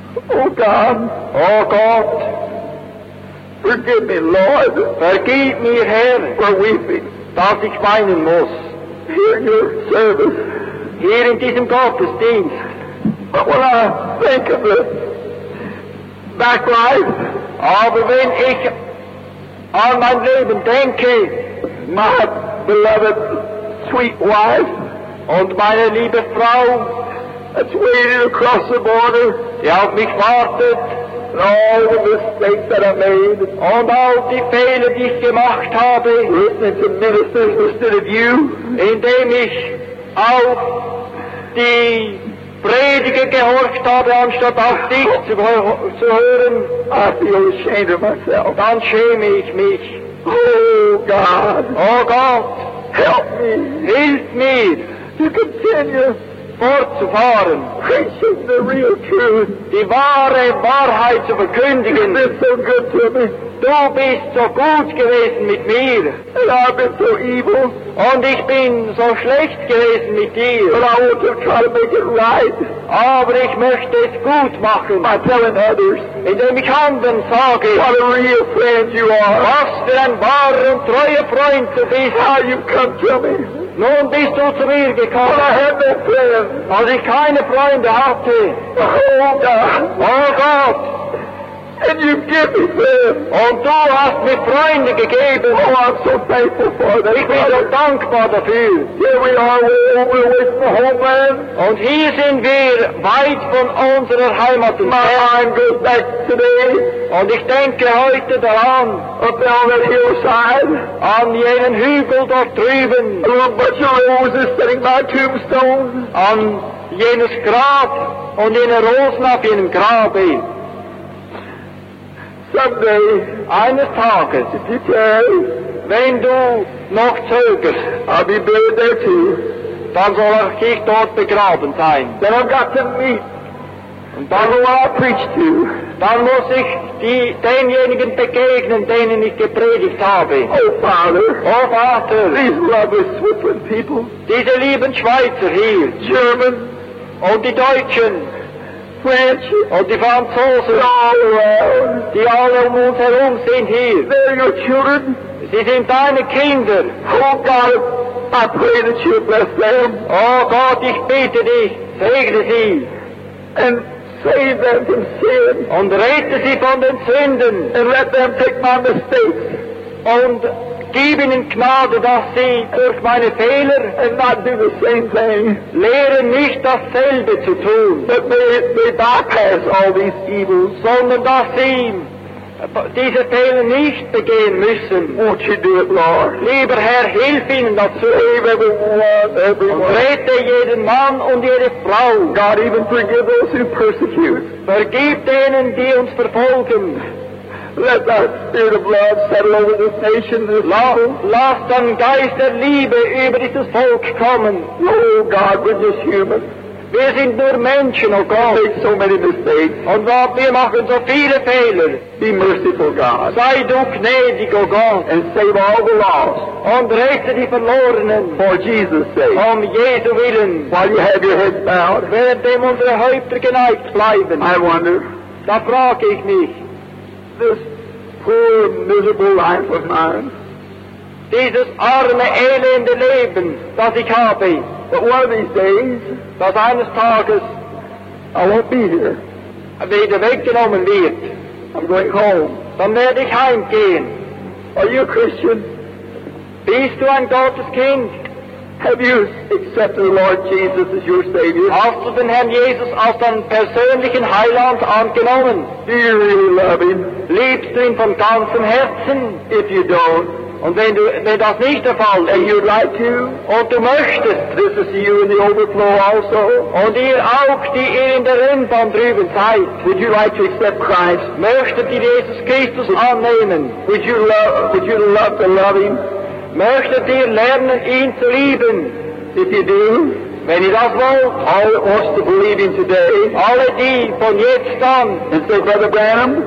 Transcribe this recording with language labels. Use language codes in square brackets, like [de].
[en] Oh God. [de] Oh Gott. [en] Forgive me, Lord. [de] Vergib mir, Herr. [en] For weeping. [de] Dass ich weinen muss. [en] Here in your service. [de] Here in diesem Gottesdienst. [en] But when I think of the back life. [de] Aber wenn ich an mein Leben denke. [en] My beloved sweet wife. [de] Und meine liebe Frau. [en] That's waiting across the border. [de] Die auf mich wartet. [en] and all the mistakes that I made. [de] Und all die Fehler, die ich gemacht habe. [en] Listening to ministers instead of you. [de] Indem ich auf die Prediger gehorcht habe, anstatt auf dich zu hören. [en] I feel ashamed of myself. [de] Dann schäme ich mich. [en] Oh God. [de] Oh Gott. [en] Help me. [de] Hilf mir. [en] To continue. [de] Fortzufahren. [en] Preaching the real truth. [de] Die wahre Wahrheit zu verkündigen. [en] You've been so good to me. [de] Du bist so gut gewesen mit mir. [en] And I've been so evil. [de] Und ich bin so schlecht gewesen mit dir. [en] But I want to try to make it right. [de] Aber ich möchte es gut machen. [en] By telling others. [de] Indem ich anderen sage. [en] What a real friend you are. [de] Was für ein wahrer und treuer Freund du bist. [en] How you come to me. [de] Nun bist du zu mir gekommen. [en] But I had no friend. [de] Als ich keine Freunde hatte. [en] Oh God. [de] Oh Gott. [en] And you give me friends. [de] Und du hast mir Freunde gegeben. [en] Oh, I'm so thankful for that. [de] Ich bin so dankbar dafür. [en] Here we are, we're over away from the homeland. [de] Und hier sind wir weit von unserer Heimat. [en] My mind goes back today. [de] Und ich denke heute daran. [en] Up there on that hillside. [de] An jenen Hügel dort drüben. [en] A bunch of roses sitting by tombstones. [de] An jenes Grab und jene Rosen auf jenem Grabe. [en] Someday, [de] eines Tages, [en] if you can, [de] wenn du noch zögerst, [en] I'll be buried there too. [de] Dann soll auch ich dort begraben sein. [en] Then I've got to meet. [de] Und dann will I [en] preach to. [de] Dann muss ich denjenigen begegnen, denen ich gepredigt habe. [en] Oh, Father. [de] Oh, Vater. [en] These lovely Switzerland people. [de] Diese lieben Schweizer hier. [en] German. [de] Und die Deutschen. [en] French. [de] Und die Franzosen, [en] all around. [de] Die alle um uns herum sind hier. [en] They're your children. [de] Sie sind deine Kinder. [en] Oh God, I pray that you bless them. [de] Oh Gott, ich bitte dich, segne sie. [en] And save them from sin. [de] Und rette sie von den Sünden. [en] And let them take my mistakes. [de] Und gib ihnen Gnade, dass sie durch meine Fehler [en] and not do the same thing. [de] Lehren nicht dasselbe zu tun, [en] but may bypass all these evils. [de] Sondern dass sie diese Fehler nicht begehen müssen. [en] Won't you do it, Lord? [de] Lieber Herr, hilf ihnen dazu. [en] Save everyone. [de] Und rette jeden Mann und jede Frau. [en] God, even forgive those who persecute. [de] Vergib denen, die uns verfolgen. [en] Let thy spirit of love settle over this nation, this people. [de] Lass den Geist der Liebe über dieses Volk kommen. [en] Oh God, we're just human. [de] Wir sind nur Menschen, oh Gott. [en] We make so many mistakes. [de] Und Gott, wir machen so viele Fehler. [en] Be merciful, God. [de] Sei du gnädig, oh Gott. [en] And save all the lost. [de] Und rette die Verlorenen. [en] For Jesus' sake. [de] Um Jesu Willen. [en] While you have your heads bowed. [de] Während dem unsere Häupter geneigt bleiben. [en] I wonder. [de] Da frage ich mich. [en] This poor, miserable life of mine. [de] Dieses arme, elende Leben, das ich habe. [en] But one of these days, [de] dass eines Tages, [en] I won't be here. [de] Wieder weggenommen wird. [en] I'm going home. [de] Dann werde ich heimgehen. [en] Are you a Christian? [de] Bist du ein Gotteskind? [en] Have you accepted the Lord Jesus as your Savior? [de] Hast du den Herrn Jesus als deinen persönlichen Heiland angenommen? [en] Do you really love him? [de] Liebst du ihn von ganzem Herzen? [en] If you don't. [de] Und wenn das nicht der Fall ist. [en] And you'd like to? [de] Und du möchtest. [en] This is you in the overflow also? [de] Und ihr auch, die ihr in der Rennbahn drüben seid. [en] Would you like to accept Christ? [de] Möchtet ihr Jesus Christus annehmen? [en] Would you love to love him? [de] Möchtet ihr lernen, ihn zu lieben? [en] If you do, [de] wenn ihr das wollt, [en] all us to believe in today, [de] alle die von jetzt an, [en] and say, Brother Branham,